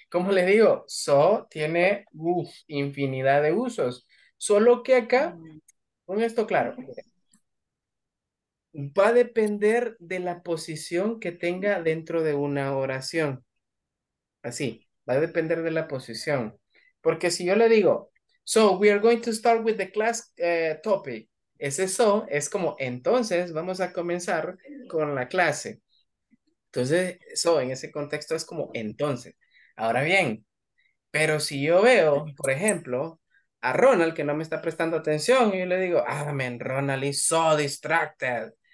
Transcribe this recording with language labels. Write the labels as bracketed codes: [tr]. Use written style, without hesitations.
[es] Como les digo, so tiene infinidad de usos. Solo que acá, con esto claro, va a depender de la posición que tenga dentro de una oración. Así, va a depender de la posición. Porque si yo le digo, [en] so we are going to start with the class topic. [es] Ese so es como, entonces vamos a comenzar con la clase. Entonces, so en ese contexto es como, entonces. Ahora bien, pero si yo veo, por ejemplo, a Ronald que no me está prestando atención, y yo le digo, [en] ah, man, Ronald is so distracted.